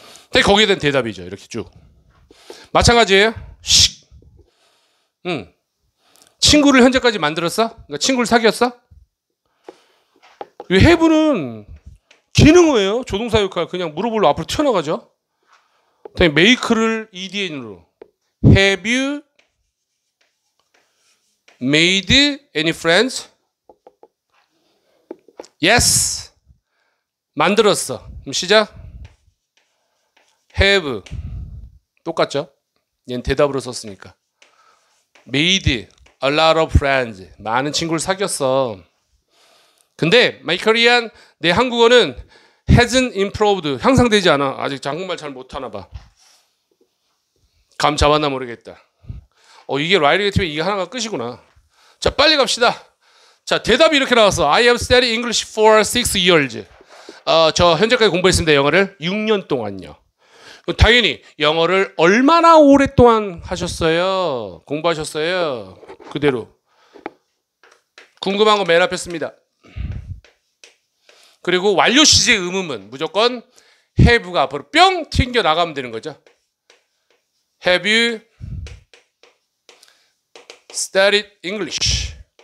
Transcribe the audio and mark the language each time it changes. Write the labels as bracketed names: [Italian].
[Korean] 근데 거기에 대한 대답이죠. 이렇게 쭉. 마찬가지예요. 씩. 친구를 현재까지 만들었어? 그러니까 친구를 사귀었어? 이 have는 기능어예요. 조동사 역할 그냥 물어볼로 앞으로 튀어나가죠. 그다음에 make를 edn으로 [English] have you made any friends? [Korean] Yes. 만들었어. 그럼 시작. Have. 똑같죠? 얘는 대답으로 썼으니까. [English] Made a lot of friends. [Korean] 많은 친구를 사귀었어. [English] 근데 my Korean, [Korean] 내 한국어는 [English] hasn't improved. [Korean] 향상되지 않아. 아직 한국말 잘 못하나 봐. 감 잡았나 모르겠다. 이게 라이리그 팀의 이게 하나가 끝이구나. 자, 빨리 갑시다. 자, 대답이 이렇게 나왔어. [English] I have studied English for 6 years. [Korean] 저 현재까지 공부했습니다. 영어를 6년 동안요. 당연히 영어를 얼마나 오랫동안 하셨어요? 공부하셨어요? 그대로. 궁금한 거 맨 앞에 씁니다. 그리고 완료 시제 의문문 무조건 have가 앞으로 뿅 튕겨 나가면 되는 거죠. [English] Have you studied English?